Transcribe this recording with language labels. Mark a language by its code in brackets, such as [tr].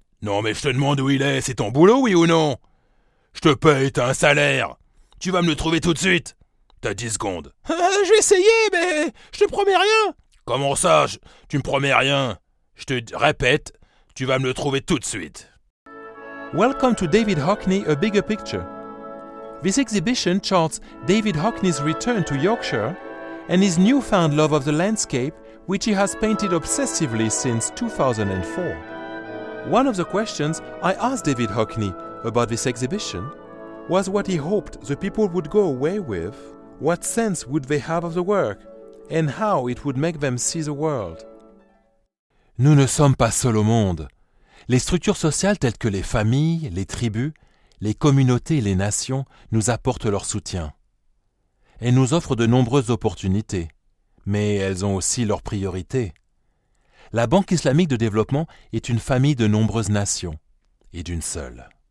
[fr] Non mais je te demande où il est, c'est ton boulot, oui ou non ? Je te paye, t'as un salaire. Tu vas me le trouver tout de suite. T'as 10 secondes. Je vais essayer, mais je te promets rien. Comment ça, tu me promets rien ? Je te répète, tu vas me le trouver tout de suite. [en] Welcome to David Hockney, A Bigger Picture. This exhibition charts David Hockney's return to Yorkshire and his newfound love of the landscape, which he has painted obsessively since 2004. One of the questions I asked David Hockney about this exhibition was what he hoped the people would go away with, what sense would they have of the work, and how it would make them see the world. [fr] Nous ne sommes pas seuls au monde. Les structures sociales telles que les familles, les tribus, les communautés et les nations nous apportent leur soutien. Elles nous offrent de nombreuses opportunités, mais elles ont aussi leurs priorités. La Banque islamique de développement est une famille de nombreuses nations, et d'une seule.